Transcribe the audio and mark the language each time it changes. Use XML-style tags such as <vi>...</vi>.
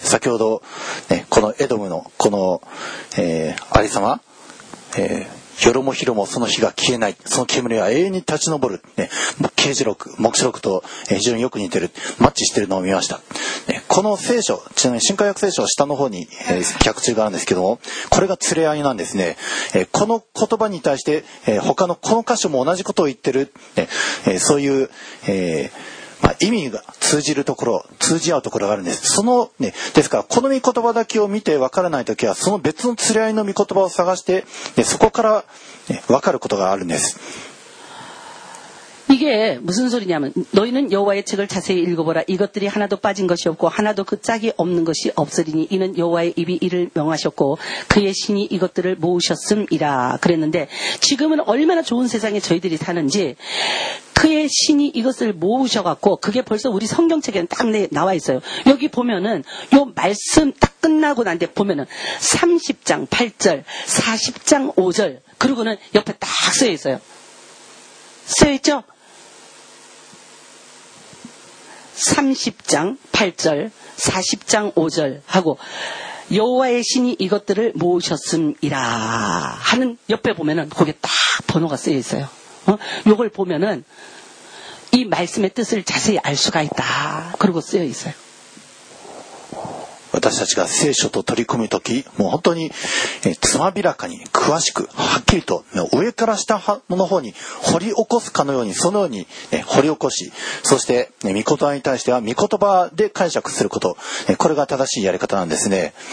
<ja>先ほど、ね、このエドムのこの、有様、よろもひろもその火が消えない、その煙は永遠に立ち上る、ね、啓示録、黙示録と非常によく似てる、マッチしてるのを見ました、ね、この聖書、ちなみに新改訳聖書は下の方に、脚注があるんですけども、これが連れ合いなんですね、この言葉に対して、他のこの箇所も同じことを言ってる、ね、そういう、まあ、意味が通じるところ、通じ合うところがあるんです。その、ね、ですから、この御言葉だけを見てわからないときは、その別の連れ合いの御言葉を探して、ね、そこから、ね、わかることがあるんです。</ja> <ko>이게 무슨 소리냐면 너희는 여호와의 책을 자세히 읽어보라. 이것들이 하나도 빠진 것이 없고 하나도 그 짝이 없는 것이 없으리니 이는 여호와의 입이 이를 명하셨고 그의 신이 이것들을 모으셨음이라 그랬는데 지금은 얼마나 좋은 세상에 저희들이 사는지 그의 신이 이것을 모으셔갖고 그게 벌써 우리 성경책에는 딱 나와 있어요. 여기 보면은 요 말씀 딱 끝나고 난 데 보면은 30장 8절 40장 5절 그리고는 옆에 딱 쓰여 있어요. 쓰여 있죠? 30장 8절 40장 5절 하고 여호와의 신이 이것들을 모으셨음이라 하는 옆에 보면은 거기에 딱 번호가 쓰여 있어요. 요걸 보면은 이 말씀의 뜻을 자세히 알 수가 있다. 그리고 쓰여 있어요.</ko> <ja>私たちが聖書と取り組むとき、もう本当につまびらかに詳しくはっきりと上から下の方に掘り起こすかのようにそのように、ね、掘り起こし、そして、ね、御言葉に対しては御言葉で解釈すること、これが正しいやり方なんですね。</ja>